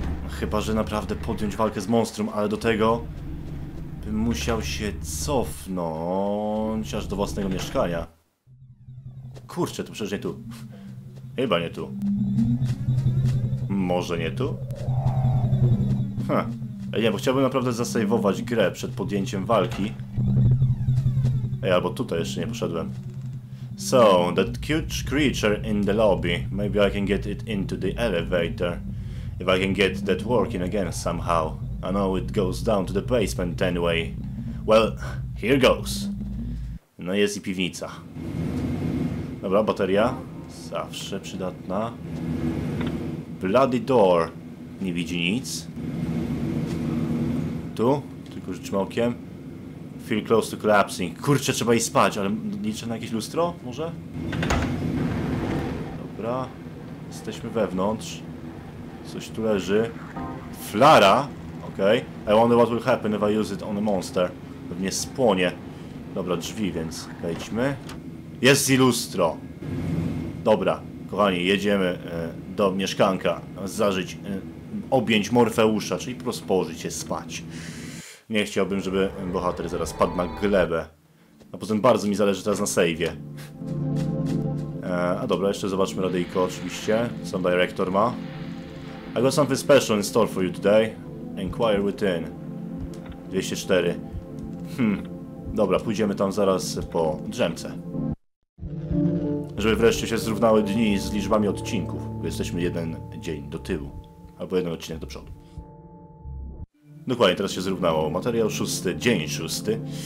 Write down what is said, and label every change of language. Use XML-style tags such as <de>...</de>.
<pl>Chyba, że naprawdę podjąć walkę z monstrum, ale do tego... bym musiał się cofnąć aż do własnego mieszkania. Kurczę, to przecież nie tu. Chyba nie tu. Może nie tu? Ha. Nie, bo chciałbym naprawdę zasejwować grę przed podjęciem walki. Ej, albo tutaj jeszcze nie poszedłem.</pl> <en>So, that cute creature in the lobby. Maybe I can get it into the elevator. If I can get that working again somehow. I know it goes down to the basement anyway. Well, here goes.</en> <pl>No jest i piwnica. Dobra, bateria. Zawsze przydatna.</pl> <en>Bloody door.</en> <pl>Nie widzi nic. Tu? Tylko rzućmy okiem.</pl> <en>Feel close to collapsing.</en> <pl>Kurczę, trzeba iść spać, ale liczę na jakieś lustro, może? Dobra. Jesteśmy wewnątrz. Coś tu leży. Flara? Okej.</pl> <en>Okay. I wonder what will happen if I use it on a monster.</en> <pl>Pewnie spłonie. Dobra, drzwi, więc wejdźmy. Jest i lustro! Dobra, kochani, jedziemy do mieszkanka zażyć, objąć Morfeusza, czyli po prostu położyć się spać. Nie chciałbym, żeby bohater zaraz padł na glebę. A potem bardzo mi zależy teraz na save'ie. A dobra, jeszcze zobaczmy radyjko oczywiście, co director ma.</pl> <en>I got something special in store for you today. Inquire within. 204.</en> <pl>Dobra, pójdziemy tam zaraz po drzemce. Żeby wreszcie się zrównały dni z liczbami odcinków, bo jesteśmy jeden dzień do tyłu. Albo jeden odcinek do przodu. Dokładnie, teraz się zrównało. Materiał szósty, dzień szósty.</pl>